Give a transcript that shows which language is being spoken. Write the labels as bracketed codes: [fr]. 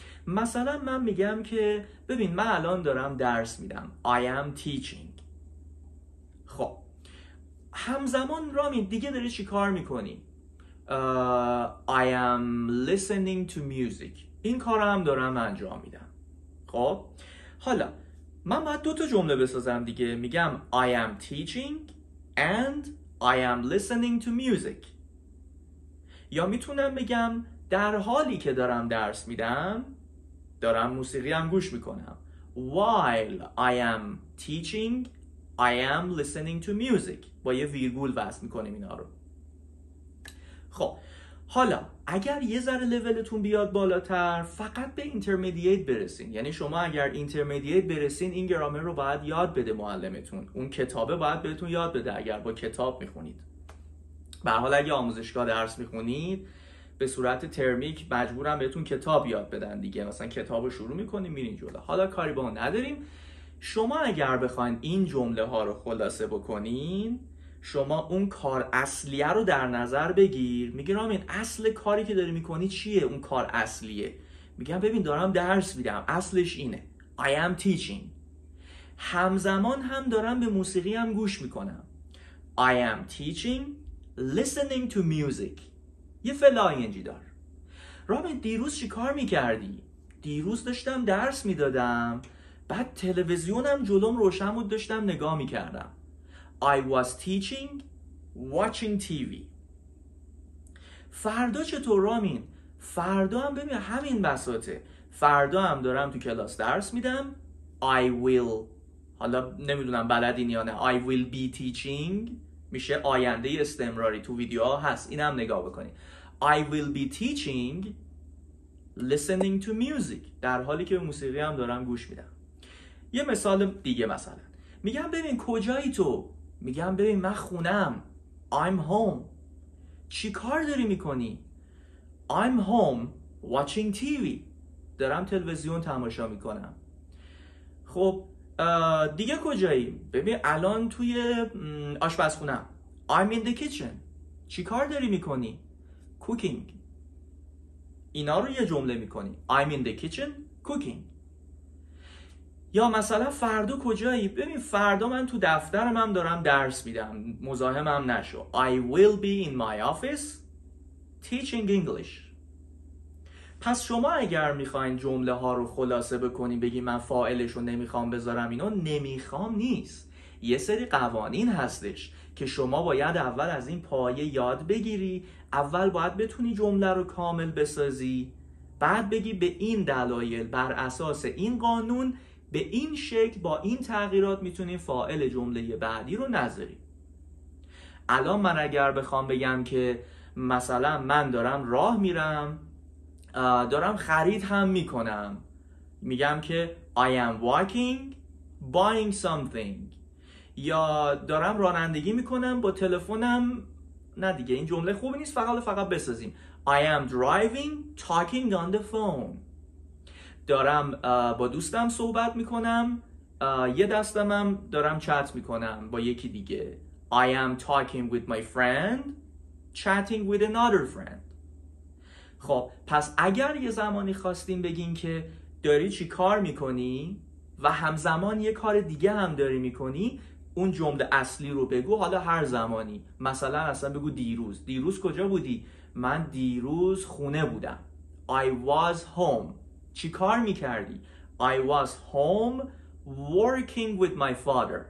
[fa] مثلا من میگم که ببین من الان دارم درس میدم، [en] I am teaching. [fa] خب همزمان رامین دیگه داری چی کار میکنی؟ [en] I am listening to music. [fa] این کار هم دارم انجام میدم. خب حالا من باید دو تا جمله بسازم دیگه. میگم [en] I am teaching and I am listening to music. [fa] یا میتونم بگم در حالی که دارم درس میدم دارم موسیقی هم گوش میکنم. [en] While I am teaching I am listening to music. [fa] با یه ویرگول وصل میکنیم اینا رو. خب حالا اگر یه ذره لولتون بیاد بالاتر فقط به اینترمدییت برسین، یعنی شما اگر اینترمدییت برسین این گرامر رو باید یاد بده معلمتون، اون کتابه باید بهتون یاد بده اگر با کتاب میخونید. به هر حال اگه آموزشگاه درس میخونید به صورت ترمیک مجبورم بهتون کتاب یاد بدن دیگه، مثلا کتابو شروع میکنیم میرین جلو. حالا کاری با اون نداریم. شما اگر بخواین این جمله ها رو خلاصه بکنین شما اون کار اصلیه رو در نظر بگیر. میگه رامین اصل کاری که داری میکنی چیه؟ اون کار اصلیه. میگم ببین دارم درس میدم، اصلش اینه [en] I am teaching. [fa] همزمان هم دارم به موسیقی هم گوش میکنم [en] I am teaching listening to music. [fa] یه فلاینجی دار. رامین دیروز چی کار میکردی؟ دیروز داشتم درس میدادم، بعد تلویزیونم جلوم روشن بود داشتم نگاه میکردم. [en] I was teaching watching TV. [fa] فردا چطور رامین؟ فردا هم ببین همین بساطه، فردا هم دارم تو کلاس درس میدم. [en] I will، [fa] حالا نمیدونم بلدین یا نه، [en] I will be teaching [fa] میشه آینده استمراری، تو ویدیو ها هست اینم نگاه بکنی. [en] I will be teaching listening to music، [fa] در حالی که موسیقی هم دارم گوش میدم. یه مثال دیگه، مثلا میگم ببین کجایی تو؟ میگم ببین من خونم، [en] I'm home. [fa] چی کار داری میکنی؟ [en] I'm home watching TV. [fa] دارم تلویزیون تماشا میکنم. خب دیگه کجایی؟ ببین الان توی آشپزخونم، [en] I'm in the kitchen. [fa] چی کار داری میکنی؟ Cooking. اینا رو یه جمله میکنی، [en] I'm in the kitchen cooking. [fa] یا مثلا فردا کجایی؟ ببین فردا من تو دفترم هم دارم درس میدم، مزاحمم نشو. [en] I will be in my office teaching English. [fa] پس شما اگر میخواین جمله ها رو خلاصه بکنین بگی من فاعلش رو نمیخوام بذارم، اینا نمیخوام نیست، یه سری قوانین هستش که شما باید اول از این پایه یاد بگیری، اول باید بتونی جمله رو کامل بسازی، بعد بگی به این دلایل بر اساس این قانون به این شکل با این تغییرات میتونیم فاعل جمله بعدی رو نذاریم. الان من اگر بخوام بگم که مثلا من دارم راه میرم، دارم خرید هم میکنم، میگم که [en] I am walking buying something. [fa] یا دارم رانندگی میکنم با تلفنم، نه دیگه این جمله خوب نیست، فقط بسازیم [en] I am driving talking on the phone. [fa] دارم با دوستم صحبت میکنم، یه دستم هم دارم چت میکنم با یکی دیگه. [en] I am talking with my friend chatting with another friend. [fa] خب پس اگر یه زمانی خواستیم بگین که داری چی کار میکنی و همزمان یه کار دیگه هم داری میکنی، اون جمله اصلی رو بگو. حالا هر زمانی، مثلا اصلا بگو دیروز. دیروز کجا بودی؟ من دیروز خونه بودم. [en] I was home. [fa] چی کار میکردی؟ [en] I was home working with my father.